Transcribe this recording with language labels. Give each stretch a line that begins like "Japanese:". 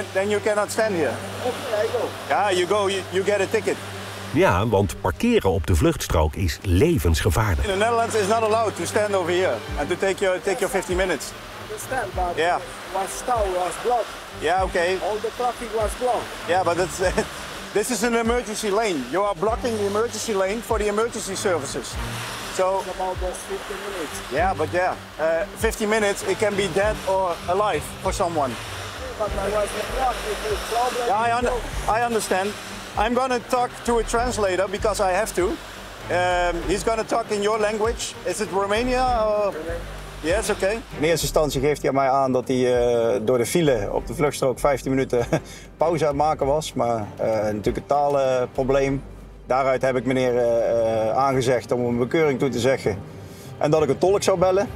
English: then you cannot stand here. Okay, I go. Yeah, you go, you get a ticket.
Dutch: Ja, want parkeren op de vluchtstrook is levensgevaarlijk.
English: In the Netherlands is not allowed to stand over here and to take your 15 minutes. Understand, but yeah. My stau was blocked. Yeah, okay. All the traffic was blocked. Yeah, but this is an emergency lane. You are blocking the emergency lane for the emergency services. So it's about those 15 minutes. Yeah, but yeah, 15 minutes, it can be dead or alive for someone. But I was blocked with this problem. Yeah, I understand. I'm going to talk to a translator because I have to. He's going to talk in your language. Is it Romania or? Yes, okay.
Dutch: In eerste instantie geeft hij mij aan dat hij door de file op de vluchtstrook 15 minuten pauze aan het maken was. Maar natuurlijk een taalprobleem. Daaruit heb ik meneer aangezegd om een bekeuring toe te zeggen. En dat ik een tolk zou bellen.